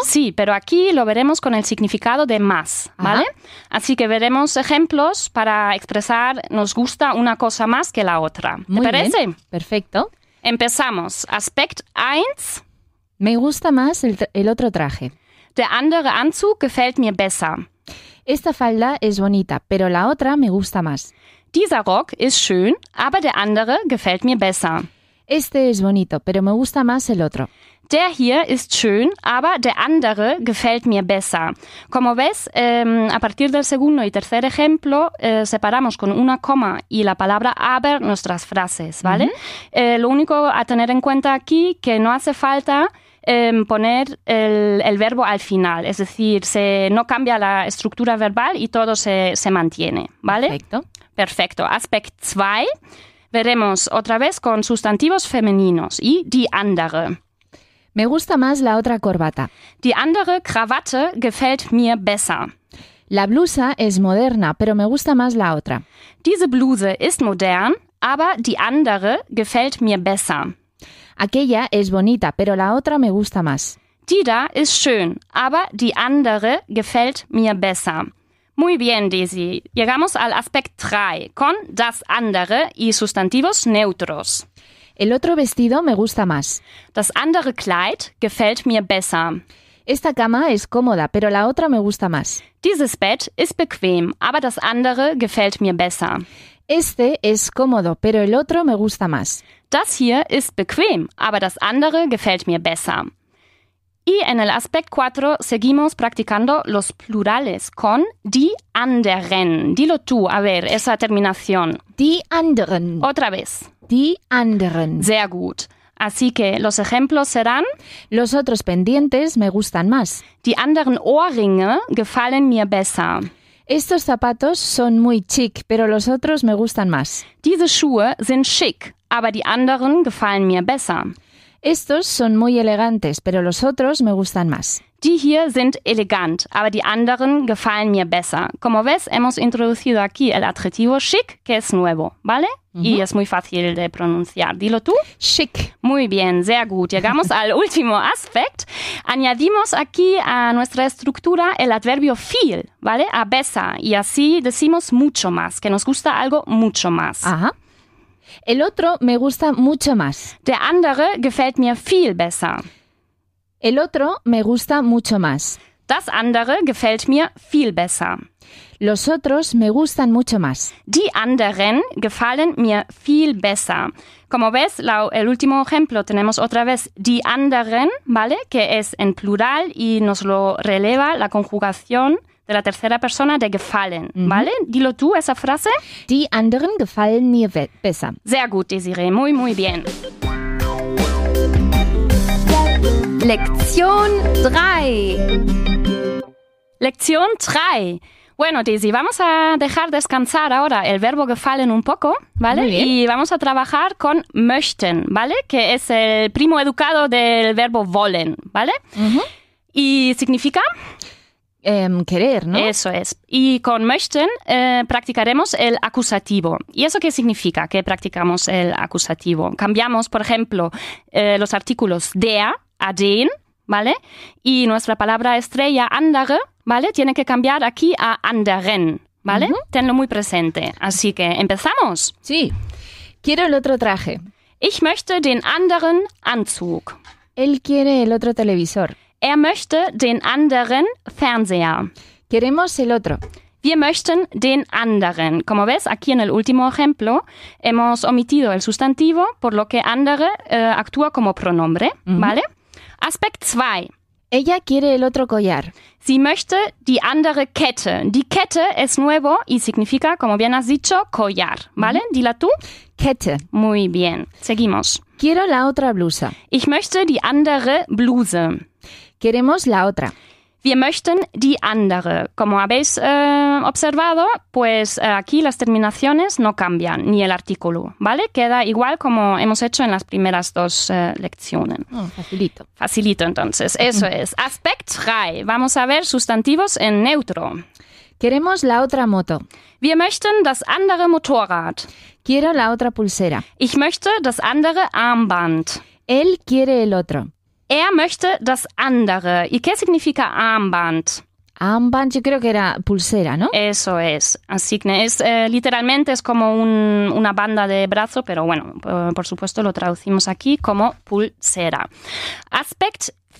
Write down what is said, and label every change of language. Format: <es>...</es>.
<es>Sí, pero aquí lo veremos con el significado de más, ¿vale? Uh-huh. Así que veremos ejemplos para expresar nos gusta una cosa más que la otra. Muy ¿te parece? Bien. Perfecto. Empezamos. Aspect 1. Me gusta más el otro traje.</es> <de>Der andere Anzug gefällt mir besser.</de> <es>Esta falda es bonita, pero la otra me gusta más.</es> <de>Dieser Rock ist schön, aber der andere gefällt mir besser.</de> <es>Este es bonito, pero me gusta más el otro.</es> <de>Der hier ist schön, aber der andere gefällt mir besser.</de> <es>Como ves, a partir del segundo y tercer ejemplo, separamos con una coma y la palabra aber nuestras frases, ¿vale? Uh-huh. Lo único a tener en cuenta aquí, que no hace falta poner el verbo al final. Es decir, no cambia la estructura verbal y todo se mantiene, ¿vale? Perfecto. Perfecto. Aspect 2. Veremos otra vez con sustantivos femeninos y die andere. Me gusta más la otra corbata.</es> <de>Die andere Krawatte gefällt mir besser.</de> <es>La blusa es moderna, pero me gusta más la otra.</es> <de>Diese Bluse ist modern, aber die andere gefällt mir besser.</de> <es>Aquella es bonita, pero la otra me gusta más.</es> <de>Die da ist schön, aber die andere gefällt mir besser.</de> <es>Muy bien, Daisy. Llegamos al aspect 3, con das andere y sustantivos neutros. El otro vestido me gusta más.</es> <de>Das andere Kleid gefällt mir besser.</de> <es>Esta cama es cómoda, pero la otra me gusta más.</es> <de>Dieses Bett ist bequem, aber das andere gefällt mir besser.</de> <es>Este es cómodo, pero el otro me gusta más.</es> <de>Das hier ist bequem, aber das andere gefällt mir besser.</de> <es>Y en el aspect 4 seguimos practicando los plurales con die anderen. Dilo tú, a ver, esa terminación.</es> <de>Die anderen.</de> <es>Otra vez.</es> <de>Die anderen. Sehr gut.</de> <es>Así que los ejemplos serán... Los otros pendientes me gustan más.</es> <de>Die anderen Ohrringe gefallen mir besser.</de> <es>Estos zapatos son muy chic, pero los otros me gustan más.</es> <de>Diese Schuhe sind schick, aber die anderen gefallen mir besser.</de> <es>Estos son muy elegantes, pero los otros me gustan más.</es> <de>Die hier sind elegant, aber die anderen gefallen mir besser.</de> <es>Como ves, hemos introducido aquí el adjetivo chic, que es nuevo, ¿vale? Uh-huh. Y es muy fácil de pronunciar. Dilo tú.</es> <de>Chic.</de> <es>Muy bien,</es> <de>sehr gut.</de> <es>Llegamos al último aspect. Añadimos aquí a nuestra estructura el adverbio viel, ¿vale? A besser. Y así decimos mucho más, que nos gusta algo mucho más. Ajá. El otro me gusta mucho más.</es> <de>Der andere gefällt mir viel besser.</de> <es>El otro me gusta mucho más.</es> <de>Das andere gefällt mir viel besser.</de> <es>Los otros me gustan mucho más.</es> <de>Die anderen gefallen mir viel besser.</de> <es>Como ves, el último ejemplo tenemos otra vez die anderen, ¿vale? Que es en plural y nos lo releva la conjugación de la tercera persona de gefallen, mm-hmm. ¿vale? Dilo tú esa frase.</es> <de>Die anderen gefallen mir besser. Sehr gut,</de> <es>Desiree. Muy, muy bien. Lección 3. Lección 3. Bueno, Daisy, vamos a dejar descansar ahora el verbo gefallen un poco, ¿vale? Muy bien. Y vamos a trabajar con möchten, ¿vale? Que es el primo educado del verbo wollen, ¿vale? Uh-huh. Y significa... querer, ¿no? Eso es. Y con möchten practicaremos el acusativo. ¿Y eso qué significa que practicamos el acusativo? Cambiamos, por ejemplo, los artículos der a den, ¿vale? Y nuestra palabra estrella, andere, ¿vale? Tiene que cambiar aquí a anderen, ¿vale? Uh-huh. Tenlo muy presente. Así que, ¿empezamos? Sí. Quiero el otro traje.</es> <de>Ich möchte den anderen Anzug.</de> <es>Él quiere el otro televisor.</es> <de>Er möchte den anderen Fernseher.</de> <es>Queremos el otro.</es> <de>Wir möchten den anderen.</de> <es>Como ves, aquí en el último ejemplo hemos omitido el sustantivo, por lo que andere actúa como pronombre, uh-huh. ¿vale?</es> <de>Aspekt 2.</de> <es>Ella quiere el otro collar.</es> <de>Sie möchte die andere Kette.</de> <es>Die Kette es nuevo y significa, como bien has dicho, collar. ¿Vale? Mm-hmm. Dila tú.</es> <de>Kette.</de> <es>Muy bien. Seguimos. Quiero la otra blusa.</es> <de>Ich möchte die andere Bluse.</de> <es>Queremos la otra.</es> <de>Wir möchten die andere.</de> <es>Como habéis observado, pues aquí las terminaciones no cambian, ni el artículo, ¿vale? Queda igual como hemos hecho en las primeras dos lecciones. Oh, facilito. Facilito, entonces. Eso es. Aspekt 3. Vamos a ver sustantivos en neutro. Queremos la otra moto.</es> <de>Wir möchten das andere Motorrad.</de> <es>Quiero la otra pulsera.</es> <de>Ich möchte das andere Armband.</de> <es>Él quiere el otro.</es> <de>Er möchte das andere.</de> <es>¿Y qué significa Armband? Armband, yo creo que era pulsera, ¿no? Eso es. Así que es, literalmente es como una banda de brazo, pero bueno, por supuesto lo traducimos aquí como pulsera. Aspect 4.</es>